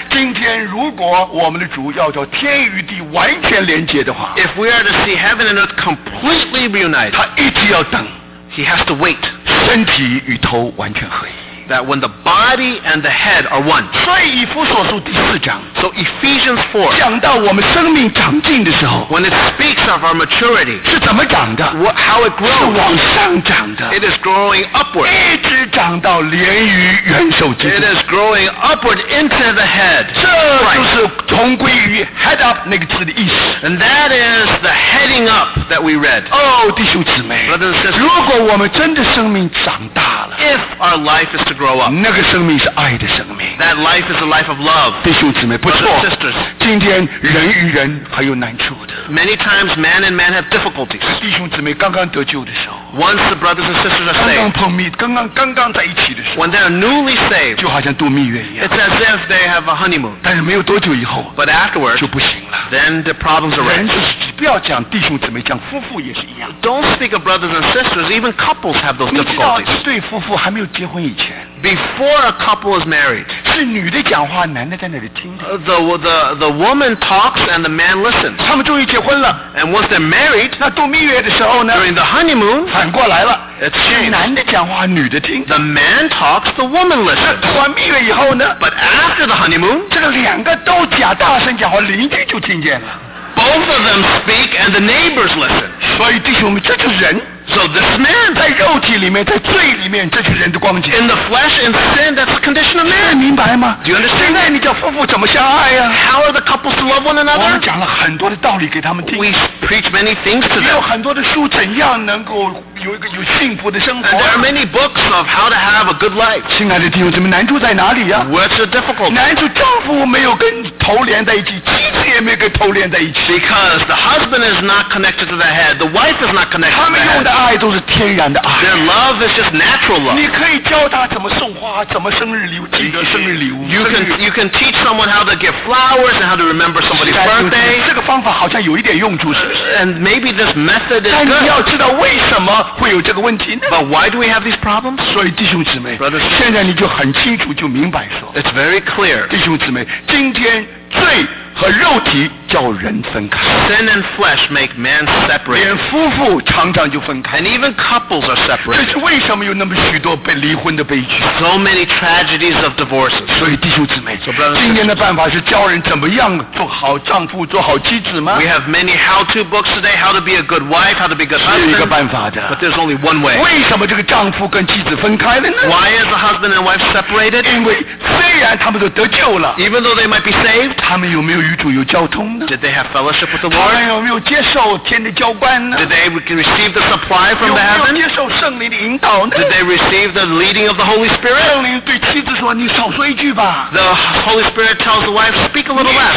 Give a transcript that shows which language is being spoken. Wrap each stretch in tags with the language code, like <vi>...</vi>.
<zh>今天如果我们的主要叫天与地完全连接的话</zh> <en>If we are to see heaven and earth completely reunited</en> <zh>他一直要等</zh> <en>He has to wait</en> <zh>身体与头完全合一</zh> <en>That when the body and the head are one</en> <zh>所以以弗所书第四章</zh> <en>So Ephesians 4</en> <zh>讲到我们生命长进的时候</zh> <en>When it speaks of our maturity</en> <zh>是怎么长的</zh> <en>How it grows</en> <zh>是往上长的</zh> <en>It is growing upward</en> <zh>一直长到连于元首基督</zh> <en>It is growing upward into the head</en> <zh>这就是同归于</zh> <en>head up</en> <zh>那个字的意思</zh> <en>And that is the heading up that we read</en> <zh>哦弟兄姊妹</zh> <en>Brothers and sisters</en> <zh>如果我们真的生命长大了</zh> <en>If our life is to grow up</en> <zh>那个生命是爱的生命</zh> <en>That life is a life of love</en> <zh>弟兄姊妹不错</zh> <en>Brothers and sisters</en> <zh>今天人与人还有难处的</zh> <en>Many times man and man have difficulties</en> <zh>弟兄姊妹刚刚得救的时候</zh> <en>Once the brothers and sisters are saved</en> <zh>刚刚碰面刚刚在一起的时候</zh> <en>When they are newly saved</en> <zh>就好像度蜜月一样</zh> <en>It's as if they have a honeymoon</en> <zh>但是没有多久以后</zh> <en>But afterwards</en> <zh>就不行了</zh> <en>Then the problems arise</en> <zh>人就是不要讲弟兄姊妹讲夫妇也是一样</zh> <en>Don't speak of brothers and sisters Even couples have those difficulties</en> <zh>你知道一对夫妇还没有结婚以前</zh> <en>Before a couple is married</en> <zh>是女的讲话男的在那里听的</zh> <en>the woman talks and the man listens</en> <zh>他们终于结婚了</zh> <en>And once they're married</en> <zh>那度蜜月的时候呢</zh> <en>During the honeymoon</en> <zh>反过来了</zh> <en>It's changed.</en> <zh>男的讲话，女的听。</zh> <en>The man talks, the woman listens.</en> <zh>过完蜜月以后呢</zh> <en>？But after the honeymoon,</en> <zh>这个两个都假大声讲话，邻居就听见了。</zh> <en>Both of them speak, and the neighbors listen.</en> <zh>所以弟兄们，这就是人。</zh> <en>So this man</en> <zh>在肉体里面，在罪里面，这就是人的光景。</zh> <en>In the flesh and sin, that's the condition of man.</en> <zh>明白吗</zh> <en>？Do you understand?</en> <zh>现在你叫夫妇怎么相爱呀</zh> <en>？How are the couples to love one another?</en> <zh>我们讲了很多的道理给他们听。</zh> <en>We preach many things to them.</en> <zh>也有很多的书，怎样能够有幸福的生活。</zh> <en>And there are many books of how to have a good life.</en> <zh>亲爱的弟兄姊妹，难处在哪里呀</zh> <en>？Where's the difficulty?</en> <zh>难处丈夫没有跟头连在一起，妻子也没有跟头连在一起。</zh> <en>Because the husband is not connected to the head, the wife is not connected to the head.</en> <zh>他们用的爱都是天然的爱。</zh> <en>Their love is just natural love.</en> <zh>你可以教他怎么送花，怎么生日礼物，记得生日礼物。</zh> <en>You can teach someone how to give flowers and how to remember somebody's birthday.</en> <zh>这个方法好像有一点用处，是不是</zh> <en>？And maybe this method is</en> <zh>good. 但你要知道为什么。会有这个问题呢</zh> <en>But why do we have these problems?</en> <zh>所以弟兄姊妹</zh> <en>Brothers,</en> <zh>现在你就很清楚就明白说</zh> <en>It's very clear</en> <zh>弟兄姊妹今天罪和肉体叫人分开。</zh> <en>Sin and flesh make man separate.</en> <zh>连夫妇常常就分开。</zh> <en>And even couples are separate.</en> <zh>这是为什么有那么许多被离婚的悲剧。</zh> <en>So many tragedies of divorces.</en> <zh>所以弟兄姊妹，今天的办法是教人怎么样做好丈夫，做好妻子吗？</zh> <en>We have many how-to books today, how to be a good wife, how to be a good husband.</en> <zh>只有一个办法的。</zh> <en>But there's only one way.</en> <zh>为什么这个丈夫跟妻子分开了呢？</zh> <en>Why is the husband and wife separated?</en> <zh>因为虽然他们都得救了。</zh> <en>Even though they might be saved.</en> <zh>他们有没有与主有交通呢？</zh> <en>Did they have fellowship with the Lord?</en> <zh>他们有没有接受天的浇灌呢？</zh> <en>Did they receive the supply from the heaven?</en> <zh>有没有接受圣灵的引导呢？</zh> <en>Did they receive the leading of the Holy Spirit?</en> <zh>圣灵对妻子说，你少说一句吧。</zh> <en>The Holy Spirit tells the wife, speak a little less.</en>